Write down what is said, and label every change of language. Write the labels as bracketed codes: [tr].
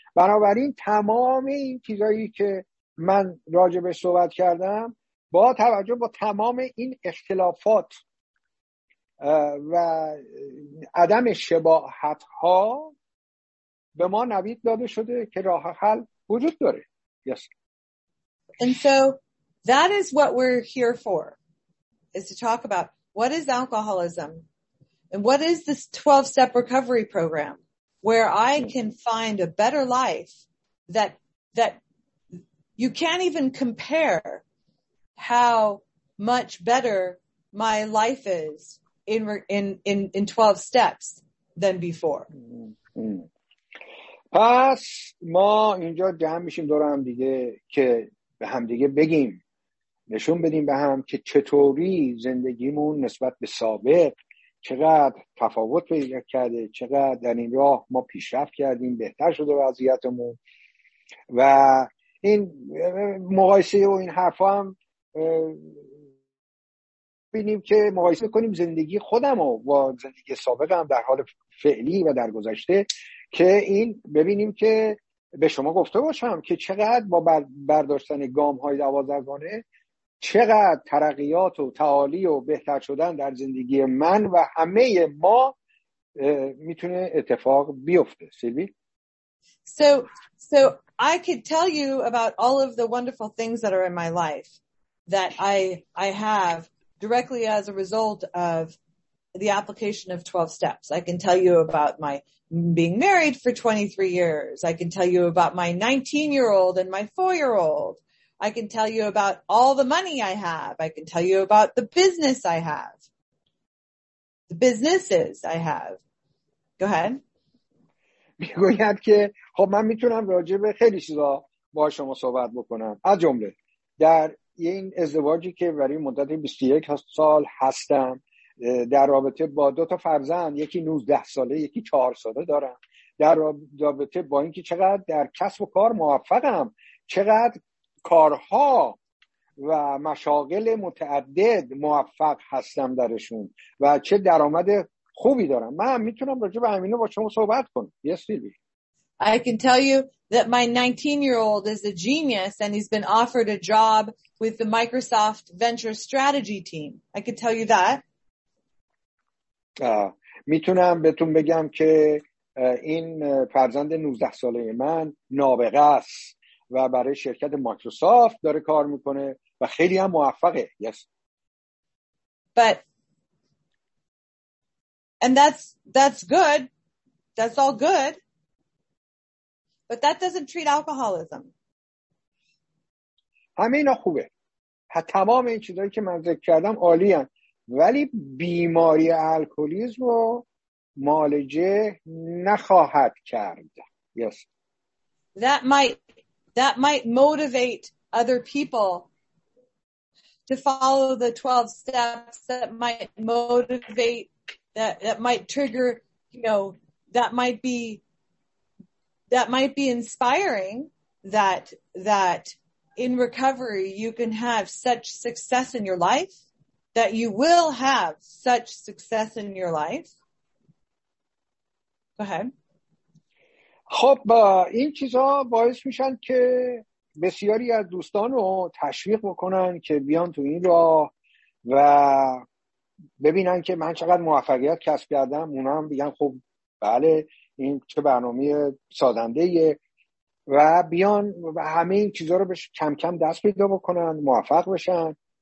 [fa] بنابراین تمام این چیزایی که من راجبش صحبت کردم با توجه با تمام این اختلافات و عدم شباهت ها به ما نوید داده شده که راه حل وجود داره. [en] Yes. And so that is what we're here for, is to talk about what is alcoholism and what is this 12-step recovery program where I can find a better life that you can't even compare how much better my life is in 12 steps than before. [fa] پس ما اینجا جمع میشیم دور هم دیگه که به هم دیگه بگیم، نشون بدیم به هم که چطوری زندگیمون نسبت به سابق چقدر تفاوت پیدا کرده، چقدر در این راه ما پیشرفت کردیم، بهتر شده وضعیتمون. و این مقایسه و این حرف هم بینیم که مقایسه کنیم زندگی خودم و با زندگی سابقم در حال فعلی و در گذشته، که این ببینیم که به شما گفته باشم که چقدر با برداشتن گام های دوازدهگانه چقدر ترقیات و تعالی و بهتر شدن در زندگی من و همه ما میتونه اتفاق بیفته. سیلوی؟ [en] So I could tell you about all of the wonderful things that are in my life that I have directly as a result of the application of 12 steps. I can tell you about my being married for 23 years. I can tell you about my 19-year-old and my 4-year-old. I can tell you about all the money I have. I can tell you about the business I have. The businesses I have. Go ahead. [fa] میگوید که خب من میتونم راجع به خیلی چیزا با شما صحبت بکنم. از جمله در این ازدواجی که برای مدت 21 سال هستم، در رابطه با دو تا فرزند، یکی 19 ساله یکی 4 ساله دارم، در رابطه با اینکه چقدر در کسب و کار موفقم، چقدر کارها و مشاغل متعدد موفق هستم درشون و چه درآمد خوبی دارم، من میتونم راجع به همینا با شما صحبت کنم. [en] Yes, Sylvie. I can tell you that my 19-year-old is a genius and he's been offered a job with the Microsoft Venture Strategy team. I can tell you that. [fa] میتونم بهتون بگم که این فرزند 19 ساله من نابغه است و برای شرکت مایکروسافت داره کار میکنه و خیلی هم موفقه. [en] Yes. But and that's good. That's all good. But that doesn't treat alcoholism. [fa] همینا خوبه. تمام این چیزایی که من ذکر کردم عالیه. ولی بیماری الکلیسم رو معالجه نخواهد کرد. [en] Yes. That might motivate other people to follow the 12 steps. That might motivate, that might trigger, you know, that might be inspiring that in recovery you can have such success in your life. That you will have such success in your life. Go ahead. [fa] خب این چیزا باعث میشن که بسیاری از دوستان رو تشویق بکنن که بیان تو این راه و ببینن که من چقدر موفقیت کسب کردم. اونا هم بگن خب بله، این چه برنامه سازنده‌ایه، و بیان و همه این چیزا رو بهش کم کم دست پیدا بکنن، موفق بشن.